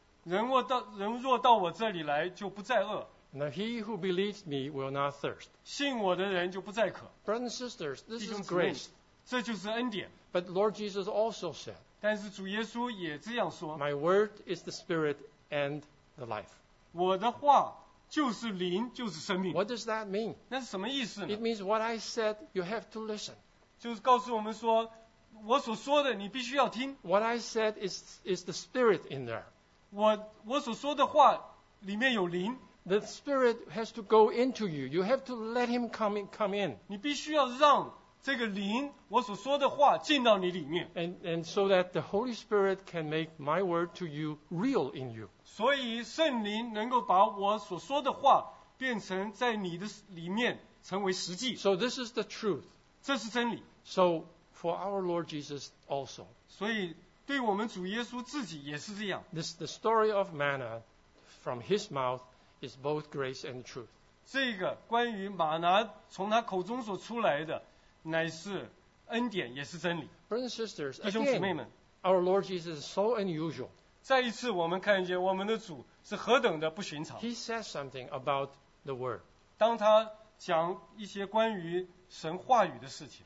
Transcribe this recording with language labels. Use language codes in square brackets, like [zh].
[zh] 人若到我这里来就不再饿。 [en] Now he who believes me will not thirst. [zh] 信我的人就不再渴。 [en] Brothers and sisters, this is grace. [zh] 这就是恩典。 [en] But Lord Jesus also said. [zh] 但是主耶稣也这样说。 [en] My word is the spirit and the life. [zh] 我的话就是灵，就是生命。 [en] What does that mean? [zh] 那是什么意思呢？ [en] It means what I said, you have to listen. [zh] 就是告诉我们说，我所说的你必须要听。 [en] What I said is the spirit in there. [zh] 我所说的话里面有灵。 [en] The Spirit has to go into you. You have to let Him come in. [zh] 你必须要让这个灵，我所说的话进到你里面。 [en] And so that the Holy Spirit can make my word to you real in you. [zh] 所以圣灵能够把我所说的话变成在你的里面成为实际。 [en] So this is the truth. [zh] 这是真理。 [en] So for our Lord Jesus also. [zh] 所以对我们主耶稣自己也是这样。 [en] This the story of manna from His mouth. Is both grace and truth. [zh] 这个关于玛拿从他口中所出来的，乃是恩典，也是真理。 [en] Brothers and sisters, [zh] 弟兄姊妹们 [en] ，Our Lord Jesus is so unusual. [zh] 再一次，我们看见我们的主是何等的不寻常。 [en] He says something about the word. [zh] 当他讲一些关于神话语的事情。